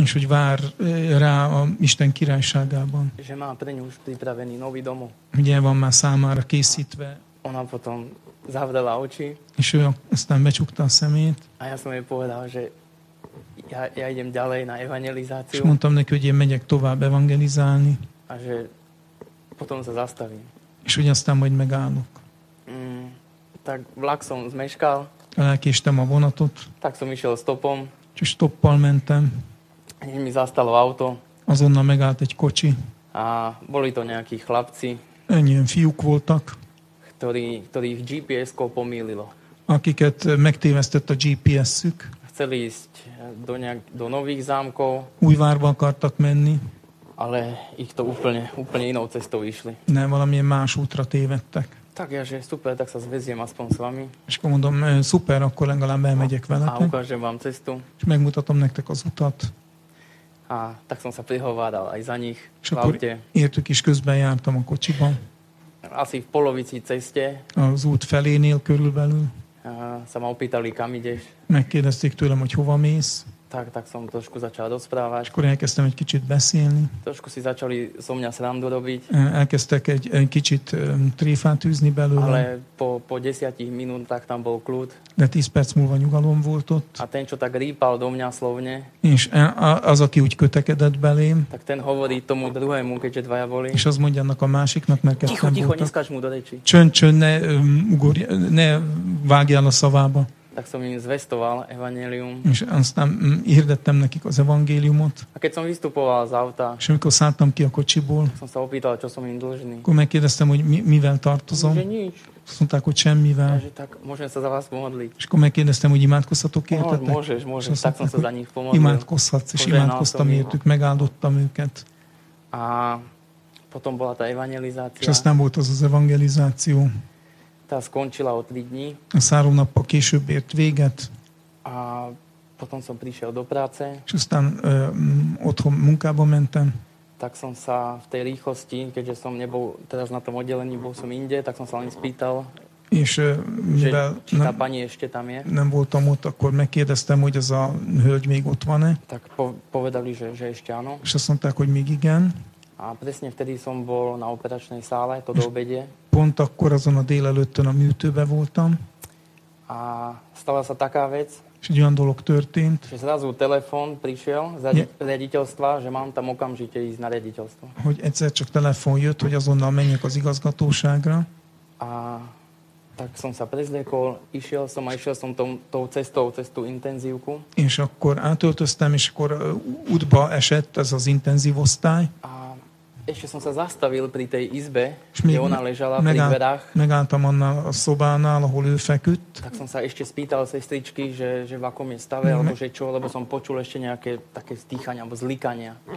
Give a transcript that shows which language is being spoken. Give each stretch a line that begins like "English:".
Hungarian: És hogy vár rá a Isten királyságában.
Slovak: Že má pre ňu už pripravený nový domov.
Hungarian: Ugye van már számára készítve.
Slovak: Ona potom zavrela oči.
Hungarian: És ő aztán becsukta a szemét.
Slovak: A ja som jej povedal, že ja idem ďalej na evangelizáciu.
Hungarian: És mondtam neki, hogy én megyek tovább evangelizálni.
Slovak: A že potom sa zastavím.
Hungarian: És ugye aztán majd megállok.
Slovak: Tak vlak som zmeškal.
Hungarian: Elkéstem a vonatot.
Slovak: Tak som išiel stopom.
Hungarian: Čiže stoppal mentem.
Slovak: Mi zastalo auto.
Hungarian: Azonnal megállt egy kocsi.
Slovak: A boli to nejakí chlapci.
Hungarian: Ennyien fiúk voltak.
Slovak: Ktorých GPS-kó pomýlilo.
Hungarian: Akiket megtévesztett a GPS-ük.
Slovak: Chceli ísť do nových zámkov.
Hungarian: Újvárba akartak menni.
Slovak: Ale ich to úplne inou cestou išli.
Hungarian: Ne, valamilyen más útra tévedtek.
Slovak: Tak ja, že super, tak sa zveziem aspoň s vami.
Hungarian: És akkor mondom, super, akkor legalább elmegyek veletek.
Slovak: A ukážem vám cestu.
Hungarian: És megmutatom nektek az utat.
Slovak: A tak som sa prihováral aj za nich.
Hungarian: És akkor értük is, közben jártam a kocsiban.
Slovak: Asi v polovici ceste.
Hungarian: Az út felénél körülbelül.
Slovak: Sa ma opýtali, kam ideš.
Hungarian: Megkérdezték tőlem, hogy hova mész.
Slovak: Tak som trošku začal rozprávať.
Hungarian: Skôr elkezdtem egy kicsit beszélni.
Slovak: Trošku si začali so mňa srandu robiť.
Hungarian: Elkezdtek egy kicsit tréfát űzni belőle.
Slovak: Ale po 10 minútach tam bol kľud.
Hungarian: De 10 perc múlva nyugalom volt ott.
Slovak: A ten, čo tak rýpal do mňa slovne.
Hungarian: És az, aki úgy kötekedett belém.
Slovak: Tak ten hovorí tomu druhému, keďže dvaja boli.
Hungarian: És az mondja annak a másiknak, mert kettem voltak.
Slovak: Ticho, neskáž mu do reči.
Hungarian: Csönd, ne vágjál a szavába.
Slovak: Tak som im zvestoval evanjelium.
Hungarian: És aztán hirdettem nekik az evangéliumot.
Slovak: A keď som vystupoval z auta.
Hungarian: És amikor szálltam ki a kocsiból.
Slovak: Som sa opýtal, čo som im dlžný.
Hungarian: Akkor megkérdeztem, hogy mivel tartozom.
Slovak: Že nič.
Hungarian: Azt mondták, hogy semmivel.
Slovak: Ja, tak môžem sa za vás pomodliť.
Hungarian: És akkor megkérdeztem, hogy imádkozhatok értetek.
Slovak: No, môžeš. Tak som sa za nich pomodlil.
Hungarian: Imádkozhatsz, és imádkoztam értük, megáldottam őket.
Slovak: A potom bola tá evangelizácia.
Hungarian: És aztán volt az evangelizáció.
Slovak: Tá skončila o 3 dní.
Hungarian: A 3 napok később ért véget.
Slovak: A potom som prišiel do práce.
Hungarian: És aztán otthon munkába mentem.
Slovak: Tak som sa v tej rýchlosti, keďže som nebol teraz na tom oddelení, bol som inde, tak som sa len spýtal.
Hungarian: És
Slovak: či tá pani ešte tam je.
Hungarian: Nem voltam ott, akkor megkérdeztem, hogy ez a hölgy még ott van-e.
Slovak: Tak povedali, že ešte áno.
Hungarian: És azt mondták, hogy még igen.
Slovak: A presne vtedy som bol na operačnej sále, to do obede.
Hungarian: Pont akkor azon a délelőttön a műtőben voltam.
Slovak: A stala sa taká vec.
Hungarian: És egy olyan dolog történt.
Slovak: Že zrazu telefon prišiel z riaditeľstva, že mám tam okamžite ísť na riaditeľstvo.
Hungarian: Hogy egyszer csak telefon jött, hogy azonnal menjek az igazgatóságra.
Slovak: A tak som sa prezliekol, išiel som tou cestou intenzívku.
Hungarian: És akkor átöltöztem, és akkor útba esett ez az intenzív osztály.
Slovak: Ešte som sa zastavil pri tej izbe, kde ona ležala pri dverách.
Hungarian: Megálltam a szobánál, ahol ő feküdt.
Slovak: Tak som sa ešte spýtal sestričky, že v akom je stave, alebo že čo, lebo som počul ešte nejaké také stýchania, alebo zlikania.